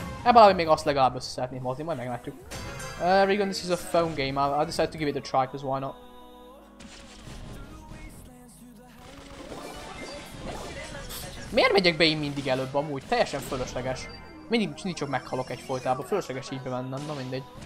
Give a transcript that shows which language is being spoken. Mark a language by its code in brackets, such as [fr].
[hu] Ebben a live-ban még azt legalább össze szeretném hozni, majd meglátjuk. [en] Regan, this is a phone game. I decided to give it a try, because why not? [hu] Miért megyek be én mindig előbb amúgy? Teljesen fölösleges. Mindig csak meghalok egyfolytában. Fölösleges így bevennem, na mindegy.